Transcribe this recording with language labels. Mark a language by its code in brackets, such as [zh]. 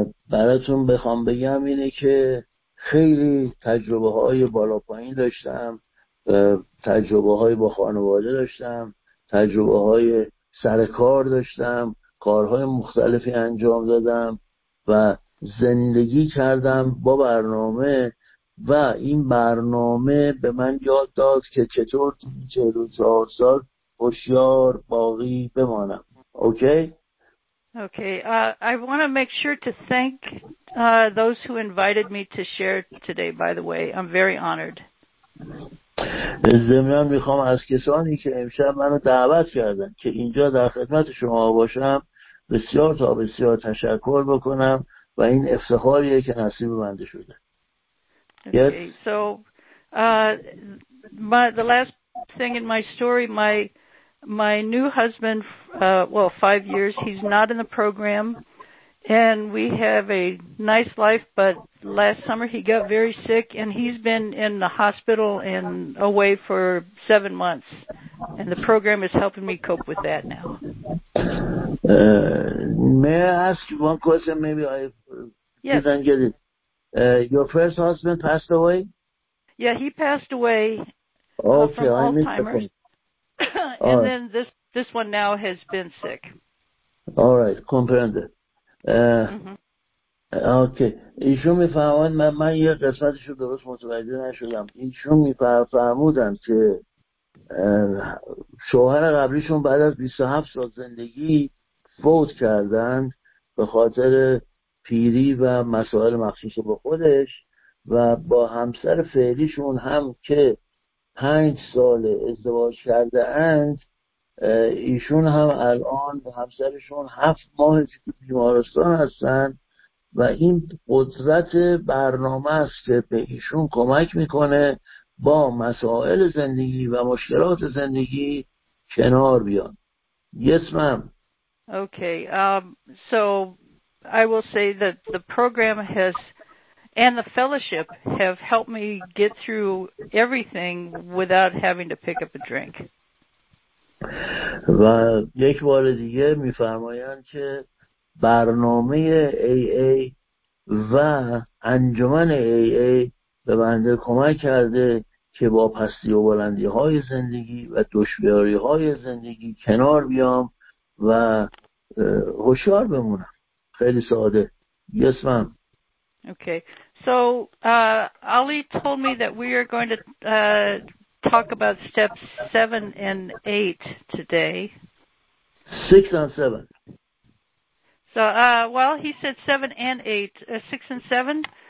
[fa] براتون بخوام بگم اینه که خیلی تجربه های بالا پایین داشتم، تجربه های با خانواده داشتم، تجربه های سر کار داشتم، کارهای مختلفی انجام دادم و زندگی کردم با برنامه، و این برنامه به من یاد داد که چطور تو 44 سال هوشیار باقی بمانم. اوکی؟ [en] Okay, I want to make sure to thank those who invited me to share today, by the way. I'm very honored. [fa] زمینان میخوام از کسانی که امشب منو دعوت کردن که اینجا در خدمت شما باشم بسیار تا بسیار تشکر بکنم و این افتخاریه که نصیب بنده شده. [en] Okay, so the last thing in my story, my new husband, well, 5 years, he's not in the program, and we have a nice life, but last summer he got very sick, and he's been in the hospital and away for 7 months, and the program is helping me cope with that now. May I ask you one question? Maybe I yes. didn't get it. Your first husband passed away? Yeah, he passed away okay, from I Alzheimer's. And then this one now has been sick. All right, comprende. Okay. [fa] ایشون میفهمن من یه قسمتشو درست متوجه نشدم. ایشون میفهمودن که شوهر قبلیشون بعد از 27 سال زندگی فوت کردن به خاطر پیری و مسائل مخصوص به خودش، و با همسر فعلیشون هم که 5 سال ازدواج کرده اند، ایشون هم الان به همسرشون 7 ماه که بیمارستان هستن، و این قدرت برنامه است که به ایشون کمک میکنه با مسائل زندگی و مشکلات زندگی کنار بیان. [en] Yes, ma'am. Okay, so I will say that the program has and the fellowship have helped me get through everything without having to pick up a drink. [fa] و یک بار دیگه میفرمایند که برنامه AA و انجمن AA به بنده کمک کرده که با پستی و بلندی های زندگی و دشواری های زندگی کنار بیام و هوشیار بمونم. خیلی ساده. [en] Yes, ma'am. Okay. So, Ali told me that we are going to talk about steps 7 and 8 today. 6 and 7. So, well, he said 7 and 8. 6 and 7?